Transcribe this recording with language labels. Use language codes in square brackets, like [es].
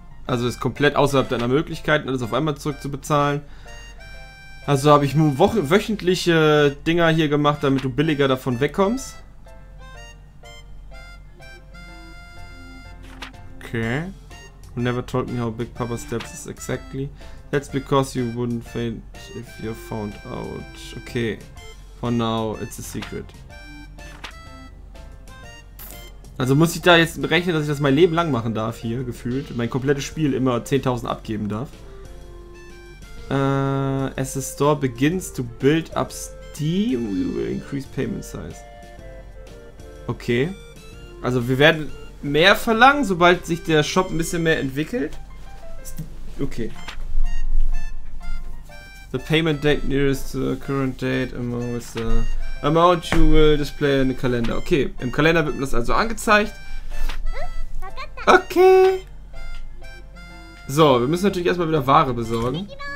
[de] Also ist komplett außerhalb deiner Möglichkeiten, alles auf einmal zurückzubezahlen. Also habe ich nur wöchentliche Dinger hier gemacht, damit du billiger davon wegkommst. Okay. [en] You never told me how big Papa's debt is exactly. That's because you wouldn't faint if you found out. Okay. For now, it's a secret. [de] Also muss ich da jetzt rechnen, dass ich das mein Leben lang machen darf hier, gefühlt. Mein komplettes Spiel immer 10.000 abgeben darf. [en] As the store begins to build up steam, we will increase payment size. Okay. [de] Also wir werden mehr verlangen, sobald sich der Shop ein bisschen mehr entwickelt. Okay. [en] The payment date nearest the current date amount is the amount you will display in the calendar. [de] Okay, im Kalender wird mir das also angezeigt. Okay. So, wir müssen natürlich erstmal wieder Ware besorgen.